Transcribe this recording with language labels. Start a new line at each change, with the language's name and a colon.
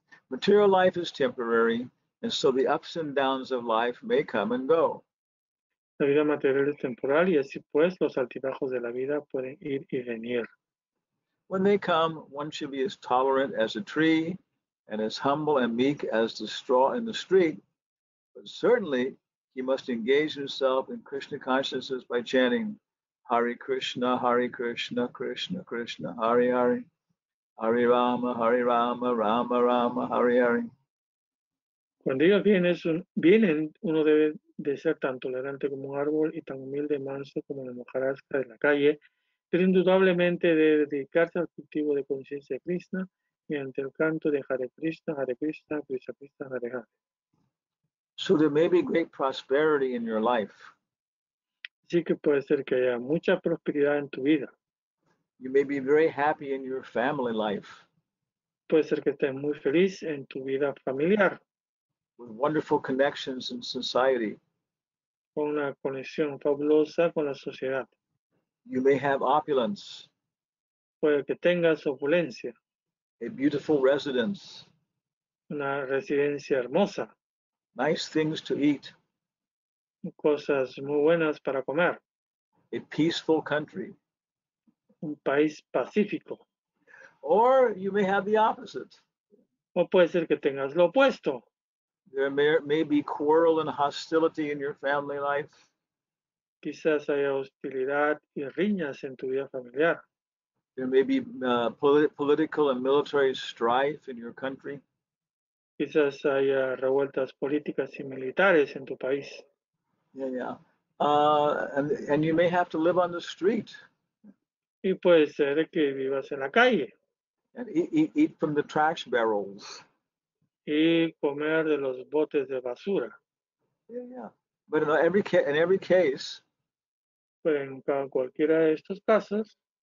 English: Material life is temporary, and so the ups and downs of life may come and go.
Spanish: La vida material es temporal, y así pues, los altibajos de la vida pueden ir y venir.
English: When they come, one should be as tolerant as a tree, and as humble and meek as the straw in the street. But certainly, he must engage himself in Krishna consciousness by chanting Hare Krishna, Hare Krishna, Krishna Krishna, Hare Hare, Hare Rama, Rama Rama, Hare Hare.
Spanish: Cuando ellos vienen, uno debe de ser tan tolerante como un árbol y tan humilde y manso como la hojarasca de la calle, pero indudablemente debe dedicarse al cultivo de conciencia de Krishna mediante el canto de Hare Krishna, Hare Krishna, Krishna Krishna, Hare Hare.
English: So there may be great prosperity in your life.
Spanish: Sí que puede ser que haya mucha prosperidad en tu vida.
English: You may be very happy in your family life.
Spanish: Puede ser que estés muy feliz en tu vida familiar.
English: With wonderful connections in society.
Spanish: Con una conexión fabulosa con la sociedad.
English: You may have opulence.
Spanish: Puede que tengas opulencia.
English: A beautiful residence.
Spanish: Una residencia hermosa.
English: Nice things to eat.
Spanish: Cosas muy buenas para comer.
English: A peaceful country.
Spanish: Un país pacífico.
English: Or you may have the opposite.
Spanish: O puede ser que tengas lo opuesto.
English: There may be quarrel and hostility in your family life.
Spanish: Quizás haya hostilidad y riñas en tu vida familiar.
English: There may be political and military strife in your country.
Spanish: Quizás haya revueltas políticas y militares en tu país.
English: Yeah. And you may have to live on the street.
Spanish: Y puede ser que vivas en la calle.
English: And eat from the trash barrels.
Spanish: Y comer de los botes de basura.
English: Yeah. But in every case,
Spanish: pero en cualquiera de estos casos,